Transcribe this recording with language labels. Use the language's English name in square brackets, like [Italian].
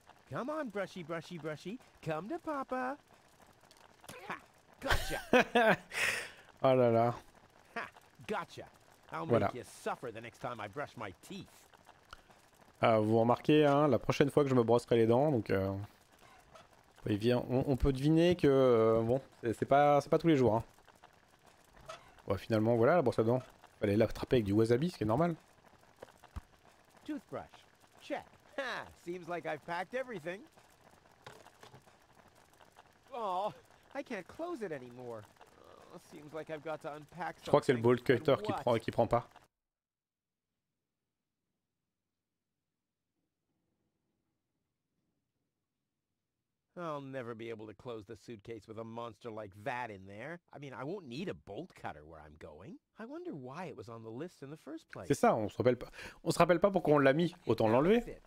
[English] Come on, brushy, brushy, brushy. Come to papa. Ha! Gotcha! [French] Oh là là. [English] Ha! Gotcha! I'll [French] voilà. [English] Make you suffer the next time I brush my teeth. [French] Vous remarquez, hein, la prochaine fois que je me brosserai les dents, donc... on peut deviner que... bon, c'est pas tous les jours, hein. Bon, finalement, voilà la brosse à dents. Fallait l'attraper avec du wasabi, ce qui est normal. [English] Toothbrush. Check. Ha! Seems like I've packed everything. Oh, I can't close it anymore. Seems like I've got to unpack. [French] Je crois que c'est le bolt cutter qui prend pas. [English] I'll never be able to close the suitcase with a monster like that in there. I mean, I won't need a bolt cutter where I'm going. I wonder why it was on the list in the first place. [French] C'est ça, on se rappelle pas pourquoi on l'a mis, autant l'enlever.